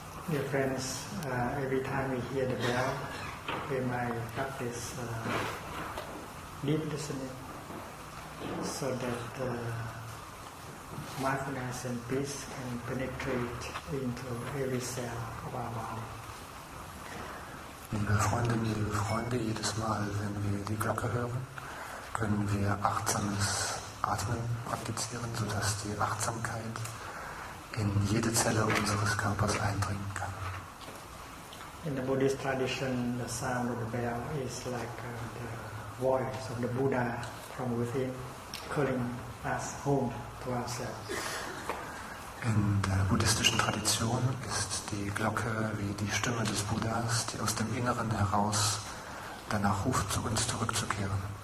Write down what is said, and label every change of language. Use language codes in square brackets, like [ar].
[en] Dear friends, every time we hear the bell, we might practice deep listening so that the mindfulness and peace can penetrate into every cell of our body. [de] Liebe Freundinnen, liebe Freunde, jedes Mal, wenn wir die Glocke hören, können wir achtsames Atmen praktizieren, sodass die Achtsamkeit in jede Zelle unseres Körpers eindringen kann. [en] In the Buddhist tradition, the sound of the bell is like the voice of the Buddha from within, calling us home to ourselves. [de] In der buddhistischen Tradition ist die Glocke wie die Stimme des Buddhas, die aus dem Inneren heraus danach ruft, zu uns zurückzukehren.